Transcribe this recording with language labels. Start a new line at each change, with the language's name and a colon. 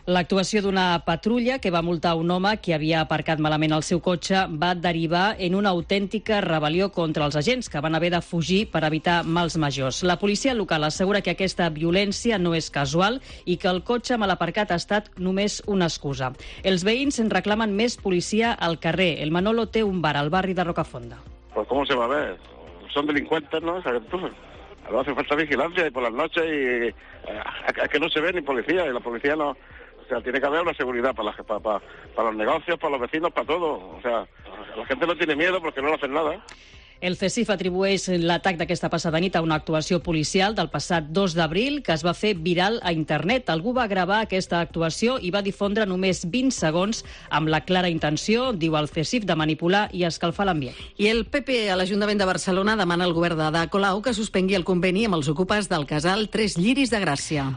Catalan: L'actuació d'una patrulla que va multar un home que havia aparcat malament el seu cotxe va derivar en una autèntica rebel·lió contra els agents que van haver de fugir per evitar mals majors. La policia local assegura que aquesta violència no és casual i que el cotxe mal aparcat ha estat només una excusa. Els veïns en reclamen més policia al carrer. El Manolo té un bar al barri de Rocafonda.
Spanish: Pues cómo se va a ver. Son delincuentes, ¿no? No hace falta vigilancia y por las noches y es que no se ve ni policía y la policía no. O sea, tiene que haber una seguridad para los negocios, para los vecinos, para todo. O sea, la gente no tiene miedo porque no le hacen nada.
Catalan: El CESIF atribueix l'atac d'aquesta passada nit a una actuació policial del passat 2 d'abril que es va fer viral a internet. Algú va gravar aquesta actuació i va difondre només 20 segons amb la clara intenció, diu el CESIF, de manipular i escalfar l'ambient. I el PP a l'Ajuntament de Barcelona demana al govern d'Ada Colau que suspengui el conveni amb els ocupes del casal Tres Lliris de Gràcia.